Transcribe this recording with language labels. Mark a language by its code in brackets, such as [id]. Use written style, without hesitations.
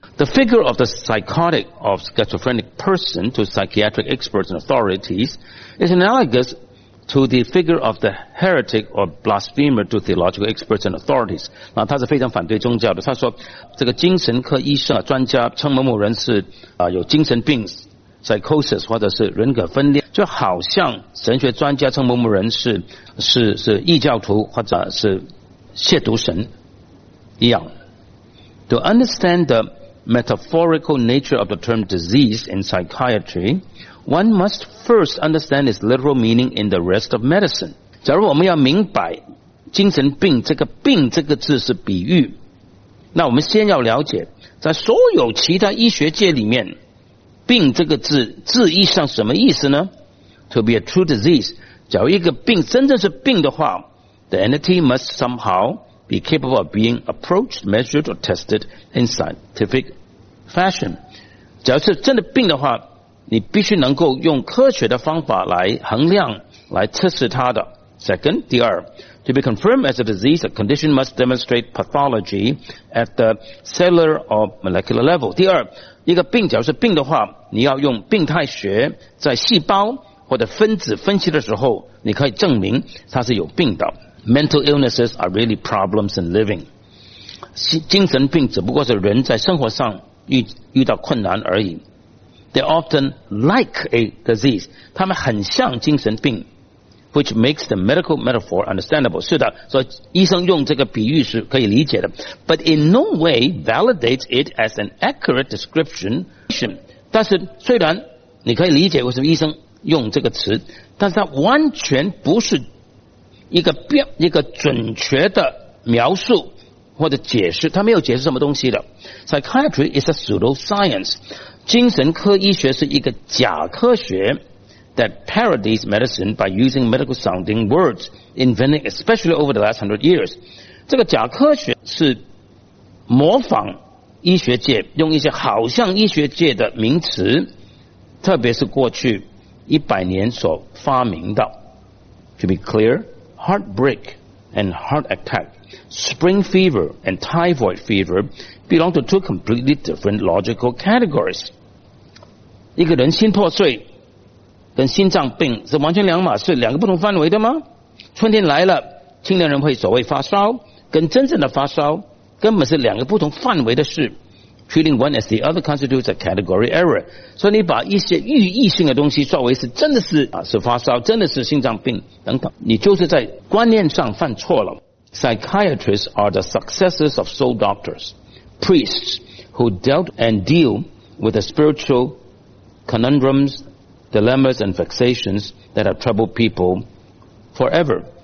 [en] The figure of the psychotic or schizophrenic person to psychiatric experts and authorities is analogous to the figure of the heretic or blasphemer to theological experts and authorities。 [zh] 那他是非常反对宗教的，他说这个精神科医生专家称某某人是有精神病 psychosis 或者是人格分裂，就好像神学专家称某某人是异教徒或者是亵渎神一样。 [en] To understand the metaphorical nature of the term disease in psychiatryOne must first understand its literal meaning in the rest of medicine。 [zh] 假如我们要明白精神病这个病这个字是比喻，那我们先要了解在所有其他医学界里面病这个字字义上什么意思呢？ [en] To be a true disease， [zh] 假如一个病真正是病的话， [en] The entity must somehow be capable of being approached, measured or tested in scientific fashion。 [zh] 假如是真的病的话，你必须能够用科学的方法来衡量，来测试它的。 [en] Second， [zh] 第二 [en] ，to be confirmed as a disease， a condition must demonstrate pathology at the cellular or molecular level。 [zh] 第二，一个病假如是病的话，你要用病态学，在细胞或者分子分析的时候，你可以证明它是有病的。 [en] Mental illnesses are really problems in living。 [zh] 精神病只不过是人在生活上遇到困难而已。 [en] They're often like a disease， [zh] 他们很像精神病， [en] which makes the medical metaphor understandable。 [zh] 是的，所以医生用这个比喻是可以理解的， [en] but in no way validates it as an accurate description。 [zh] 但是虽然你可以理解为什么医生用这个词，但是它完全不是一个准确的描述或者解释，他没有解释什么东西的。 [en] Psychiatry is a pseudoscience， [zh] 精神科医学是一个假科学 [en] that parodies medicine by using medical sounding words invented especially over the last 100 years. [zh] 这个假科学是模仿医学界用一些好像医学界的名词，特别是过去100年所发明的。 [en] To be clear, heartbreak and heart attack, spring fever and typhoid fever belong to two completely different logical categories. [zh] 一个人心破碎跟心脏病是完全两码事，两个不同范围的吗？春天来了，青年人会所谓发烧，跟真正的发烧根本是两个不同范围的事。 [en] Treating one as the other constitutes a category error. [zh] 所以你把一些寓意性的东西作为是真的是啊是发烧，真的是心脏病等等，你就是在观念上犯错了。 [en] Psychiatrists are the successors of soul doctors, priests who dealt and deal with the spiritual conundrums, dilemmas, and vexations that have troubled people forever.